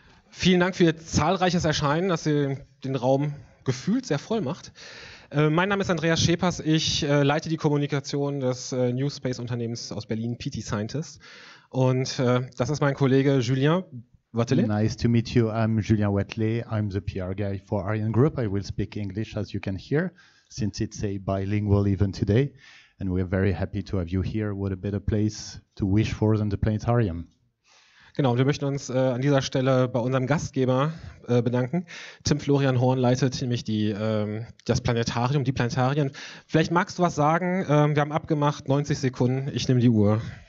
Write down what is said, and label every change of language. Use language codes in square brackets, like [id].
[de] Vielen Dank für Ihr zahlreiches Erscheinen, dass ihr den Raum gefühlt sehr voll macht. Mein Name ist Andreas Schepers, ich leite die Kommunikation des New Space Unternehmens aus Berlin, PT Scientist. Und das ist mein Kollege Julien Wattelet. [en] Nice to meet you, I'm Julien Wattelet, I'm the PR guy for Ariane Group. I will speak English as you can hear, since it's a bilingual event today. And we're very happy to have you here. What a better place to wish for than the planetarium. [de] Genau, und wir möchten uns an dieser Stelle bei unserem Gastgeber bedanken. Tim Florian Horn leitet nämlich die Planetarien. Vielleicht magst du was sagen. Wir haben abgemacht, 90 Sekunden. Ich nehme die Uhr.